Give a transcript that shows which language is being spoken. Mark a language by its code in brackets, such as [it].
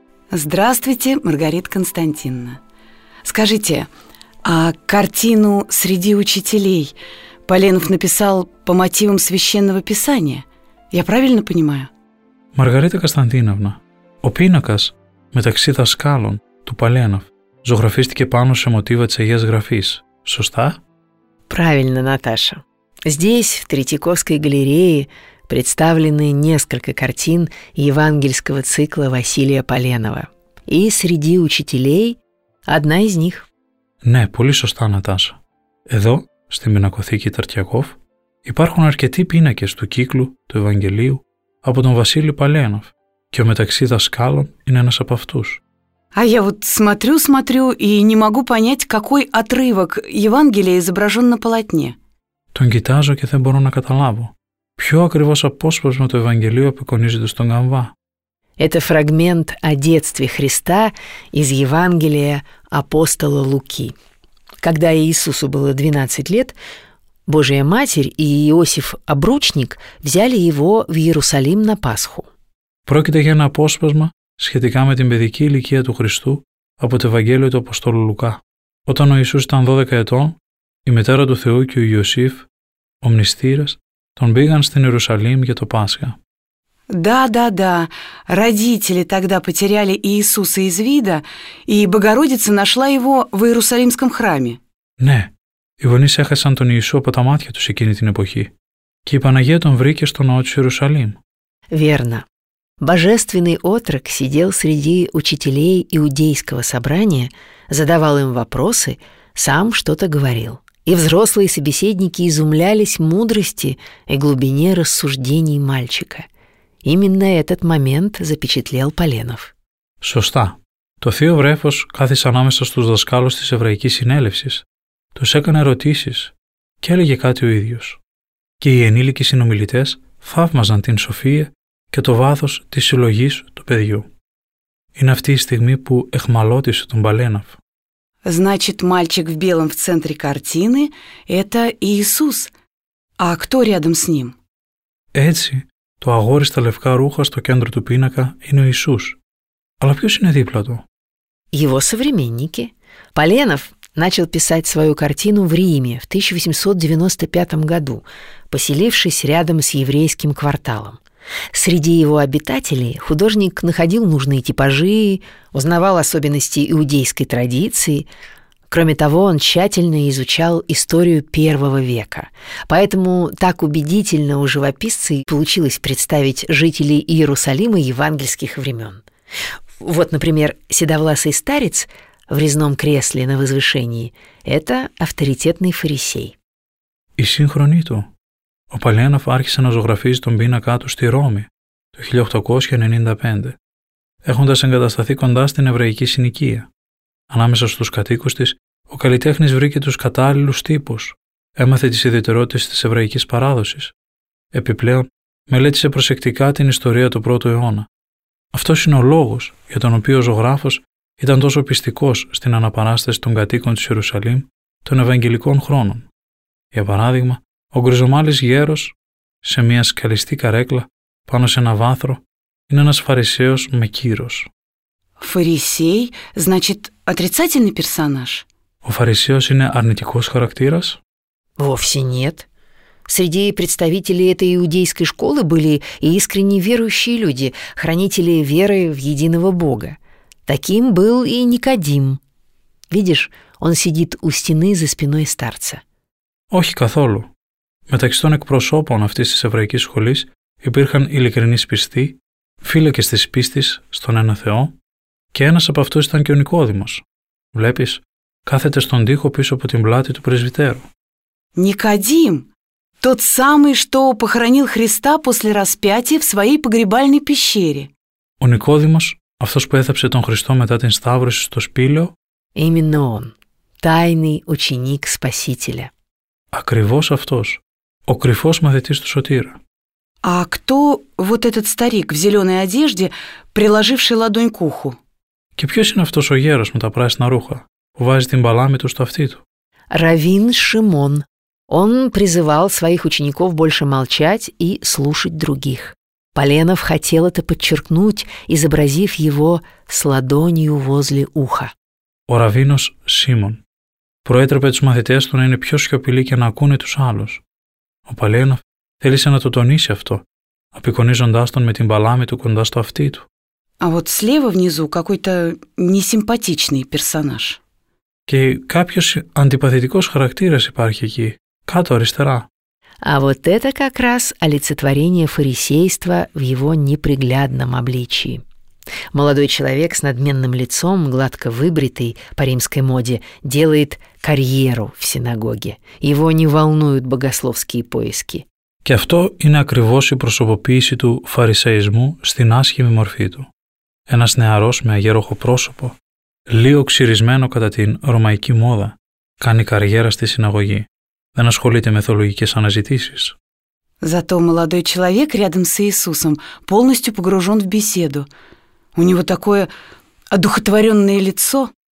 [ru] Здравствуйте, Маргарита Константиновна. Скажите, а картину «Среди учителей» Поленов написал по мотивам Священного Писания? Я правильно понимаю? [el] Маргарита Константиновна, ο πίνακας «Μεταξύ δασκάλων» του Поленова ζωγραφίστηκε πάνω σε μοτίβα της Αγίας Γραφής. Σωστά? [ru] Правильно, Наташа. Здесь, в Третьяковской галерее, представлены несколько картин евангельского цикла Василия Поленова. И среди учителей одна из них. [el] Ναι, πολύ σωστά, Наташа. Εδώ, στην Πινακοθήκη Τερτιακόφ, υπάρχουν αρκετοί πίνακες του κύκλου του Ευαγγελίου από τον Βασίλη Поленов και ο μεταξύ δασκάλων είναι ένας από αυτούς. [ru] А я вот смотрю-смотрю и не могу понять, какой отрывок Евангелия изображен на полотне. [el] Τον κοιτάζω και δεν μπορώ να καταλάβω. Ποιο ακριβώς απόσπασμα του Ευαγγελίου απεικονίζεται στον καμβά? [ru] Это фрагмент о детстве Христа из Евангелия апостола Луки. Когда Иисусу было 12 лет, Божия Матерь и Иосиф Обручник взяли его в Иерусалим на Пасху. [el] Πρόκειται για ένα απόσπασμα σχετικά με την παιδική ηλικία του Χριστού από το Ευαγγέλιο του Αποστόλου Λουκά. Όταν ο Ιησούς ήταν 12 ετών, η μητέρα του Θεού και ο Ιωσήφ, ο μνηστήρας, τον πήγαν στην Ιερουσαλήμ για το Πάσχα. [ru] Да-да-да, родители тогда потеряли Иисуса из вида, и Богородица нашла его в Иерусалимском храме. [el] Ναι, οι γονείς έχασαν τον Ιησού από τα μάτια τους εκείνη την εποχή και η Παναγία τον βρήκε στο ναό του Ιερουσαλήμ. [ru] Верно. Божественный отрок сидел среди учителей иудейского собрания, задавал им вопросы, сам что-то говорил. И взрослые собеседники изумлялись мудрости и глубине рассуждений мальчика. Именно этот момент запечатлел Поленов. [el] Σωστά. Το θείο βρέφος κάθισε ανάμεσα στους δασκάλους της Εβραϊκής Συνέλευσης. Τους έκανε ερωτήσεις και έλεγε κάτι ο ίδιος. Και οι ενήλικοι συνομιλητές θαύμαζαν την σοφία και το βάθος της συλλογής του παιδιού. Είναι αυτή η στιγμή που εχμαλώτησε τον Поленов. [ru] Значит, мальчик в белом в центре картины – это Иисус. А кто рядом с ним? [el] Έτσι, το αγόρι στα λευκά ρούχα στο κέντρο του πίνακα είναι ο Ιησούς. Αλλά ποιος είναι δίπλα του? [ru] Его современники. Поленов начал писать свою картину в Риме в 1895 году, поселившись рядом с еврейским кварталом. Среди его обитателей художник находил нужные типажи, узнавал особенности иудейской традиции. Кроме того, он тщательно изучал историю первого века. Поэтому так убедительно у живописца получилось представить жителей Иерусалима евангельских времен. Вот, например, седовласый старец в резном кресле на возвышении – это авторитетный фарисей. И синхронито. [el] Ο Поленов άρχισε να ζωγραφίζει τον πίνακά του στη Ρώμη το 1895, έχοντας εγκατασταθεί κοντά στην εβραϊκή συνοικία. Ανάμεσα στους κατοίκους της, ο καλλιτέχνης βρήκε τους κατάλληλους τύπους, έμαθε τις ιδιαιτερότητες της εβραϊκής παράδοσης. Επιπλέον, μελέτησε προσεκτικά την ιστορία του πρώτου αιώνα. Αυτός είναι ο λόγος για τον οποίο ο ζωγράφος ήταν τόσο πιστικός στην αναπαράσταση των κατοίκων της Ιερουσαλήμ των Ευαγγελικών χρόνων. Για παράδειγμα, ο γκριζομάλης γέρος σε μια σκαλιστή καρέκλα πάνω σε ένα βάθρο είναι ένας φαρισαίος με κύρος. [ru] Φαρισαί, значит, отрицательный персонаж. [el] Ο φαρισαίος είναι αρνητικός χαρακτήρας? [ru] Вовсе нет. Среди представителей этой иудейской школы были и искренне верующие люди, хранители веры в единого Бога. Таким был и Никодим. Видишь, он сидит у стены за спиной старца. [el] Όχι καθόλου. Μεταξύ των εκπροσώπων αυτής της εβραϊκής σχολής υπήρχαν ειλικρινείς πιστοί, φύλακες της πίστης στον ένα Θεό και ένας από αυτούς ήταν και ο Νικόδημος. Βλέπεις, κάθεται στον τοίχο πίσω από την πλάτη του πρεσβυτέρου. [ru] Νικοδήμ, тот самый, что похоронил Христа после распятия в своей погребальной пещере. [el] Ο Νικόδημος, αυτός που έθαψε τον Χριστό μετά την Σταύρωση στο σπήλαιο. [ru] Именно он, тайный ученик Спасителя. [el] Ακριβώς αυτός. Ο κρυφός μαθητής του Σωτήρα. [ru] А кто вот этот старик в зеленой одежде, приложивший ладонь к уху? [el] Και ποιος είναι αυτός ο γέρος με τα πράσινα ρούχα, που βάζει την παλάμη του στο αυτί του? [ru] Равин Шимон. Он призывал своих учеников больше молчать и слушать других. Поленов хотел это подчеркнуть, изобразив его с ладонью возле уха. [el] Ο Равинος Шимон προέτρεπε τους μαθητές του να είναι πιο σιωπηλοί και να ακούνε τους άλλους. Ο Поленов θέλησε να το τονίσει αυτό, απεικονίζοντάς τον με την παλάμη του κοντά στο αυτί του. [ru] А вот слева внизу какой-то несимпатичный персонаж. [el] Και κάποιος αντιπαθητικός χαρακτήρας υπάρχει εκεί, κάτω αριστερά. [ru] А вот это как раз олицетворение фарисейства в его неприглядном обличии. Молодой человек с надменным лицом, гладко выбритый по римской моде, делает карьеру в синагоге. Его не волнуют богословские поиски. [el] Και αυτό είναι ακριβώς η προσωποποίηση του φαρισαϊσμού στην άσχημη μορφή του. Ένας νεαρός με αγέροχο πρόσωπο, λίγο ξυρισμένο κατά την ρωμαϊκή μόδα, κάνει καριέρα στη συναγωγή. Δεν ασχολείται με θεολογικές αναζητήσεις. [ru] Зато молодой человек рядом с Иисусом полностью погружен в беседу. У него такое одухотворенное лицо.